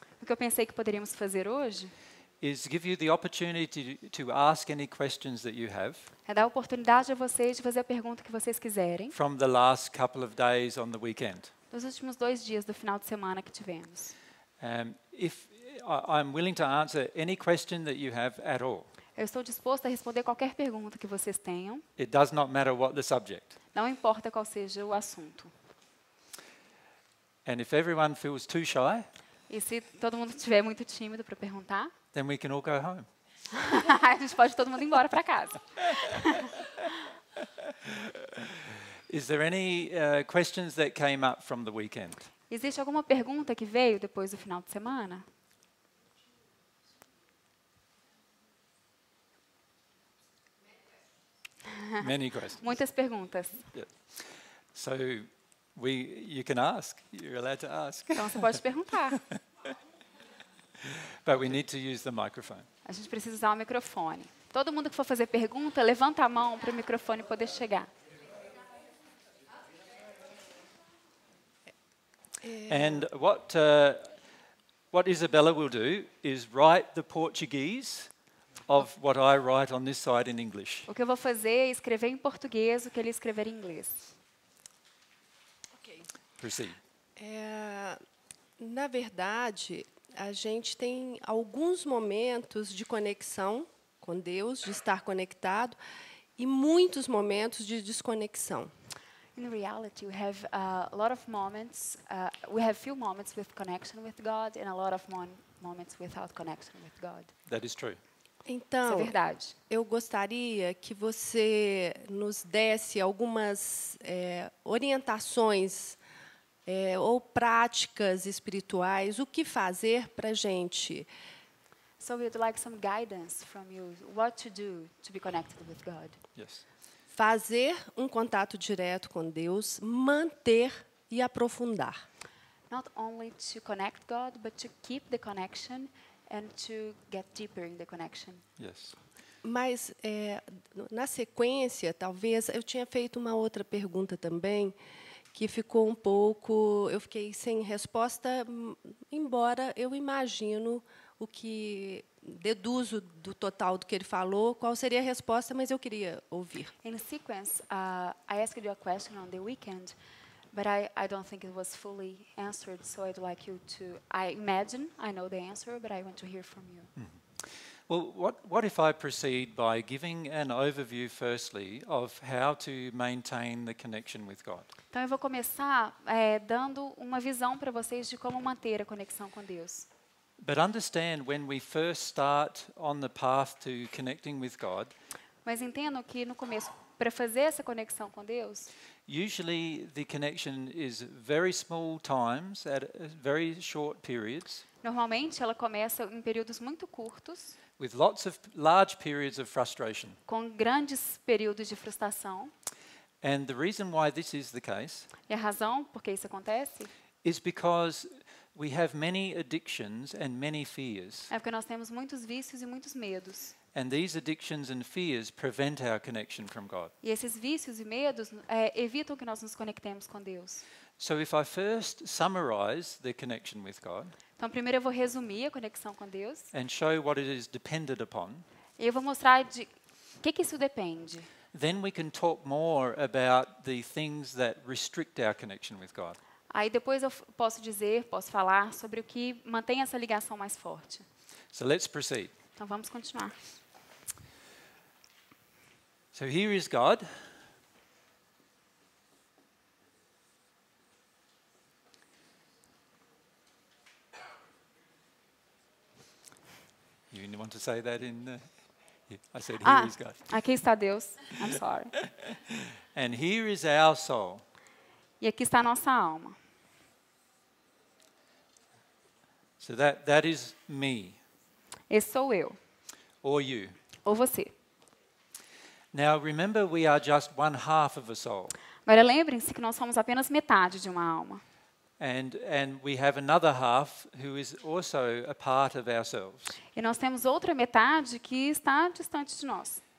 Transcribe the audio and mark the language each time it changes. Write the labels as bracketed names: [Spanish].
[Portuguese] o que eu pensei que poderíamos fazer hoje, [English] is give you the opportunity to ask any questions that you have. [Portuguese] É dar a oportunidade a vocês de fazer a pergunta que vocês quiserem. [English] From the last couple of days on the weekend. [Portuguese] Dos últimos dois dias do final de semana que tivemos. [English] I'm willing to answer any question that you have at all. [Portuguese] Eu estou disposto a responder qualquer pergunta que vocês tenham. [English] It does not matter what the subject. [Portuguese] Não importa qual seja o assunto. [English] And if everyone feels too shy, [Portuguese] e se todo mundo estiver muito tímido para perguntar, [English] then we can all go home. [Portuguese] A gente pode todo mundo embora para casa. [English] Is there any questions that came up from the weekend? [Portuguese] Existe alguma pergunta que veio depois do final de semana? [English] Many questions. [Portuguese] Muitas perguntas. [English] Yeah. So, we, you can ask. You're allowed to ask. [Portuguese] Então você pode perguntar. [English] But we need to use the microphone. [Portuguese] A gente precisa usar o microfone. Todo mundo que for fazer pergunta, levanta a mão para o microfone poder chegar. [English] And what Isabella will do is write the Portuguese of what I write on this side in English. [Portuguese] O que eu vou fazer é escrever em português o que ele escrever em inglês. É, na verdade, a gente tem alguns momentos de conexão com Deus, de estar conectado, e muitos momentos de desconexão. [English] In reality, we have a lot of moments. We have few moments with connection with God and a lot of moments without connection with God. That is true. [Portuguese] Então, é verdade. Eu gostaria que você nos desse algumas orientações. Ou práticas espirituais, o que fazer para gente? [English] So we'd like some guidance from you, what to do to be connected with God. Yes. [Portuguese] Fazer um contato direto com Deus, manter e aprofundar. [English] Not only to connect God, but to keep the connection and to get deeper in the connection. Yes. [Portuguese] Mas na sequência, talvez eu tinha feito uma outra pergunta também. Que ficou um pouco, eu fiquei sem resposta, embora eu imagino o que deduzo do total do que ele falou, qual seria a resposta, mas eu queria ouvir. [English] In sequence, I asked you a question on the weekend, but I don't think it was fully answered, so I'd like you to, I imagine, I know the answer, but I want to hear from you. Well, what if I proceed by giving an overview, firstly, of how to maintain the connection with God? [Portuguese] Então, eu vou começar dando uma visão para vocês de como manter a conexão com Deus. [English] But understand, when we first start on the path to connecting with God, [Portuguese] mas entendo que no começo, para fazer essa conexão com Deus, [English] usually the connection is very small times, at very short periods. [Portuguese] Normalmente, ela começa em períodos muito curtos. [English] With lots of large periods of frustration. [Portuguese] Com grandes períodos de frustração. [English] And the reason why this is the case. [Portuguese] E a razão por que isso acontece? [English] Is because we have many addictions and many fears. [Portuguese] É porque nós temos muitos vícios e muitos medos. [English] And these addictions and fears prevent our connection from God. [Portuguese] E esses vícios e medos evitam que nós nos conectemos com Deus. [English] So if I first summarize the connection with God. [Portuguese] Então, primeiro eu vou resumir a conexão com Deus. [English] And show what it is dependent upon. [Portuguese] E eu vou mostrar de que isso depende. [English] Then we can talk more about the things that restrict our connection with God. [Portuguese] Aí depois eu posso dizer, posso falar sobre o que mantém essa ligação mais forte. [English] So let's proceed. [Portuguese] Então vamos continuar. [English] So here is God. You want to say that in I said, here is God. [Portuguese] Aqui está Deus. [English] I'm sorry. And here is our soul. [Portuguese] E aqui está a nossa alma. [English] So that is me. [Portuguese] Esse sou eu. [English] Or you. [Portuguese] Ou você. [English] Now remember, we are just one half of a soul. [Portuguese] Agora lembrem-se que nós somos apenas metade de uma alma. [English] And we have another half who is also a part of ourselves. [Portuguese] E nós temos outra metade que está distante de nós.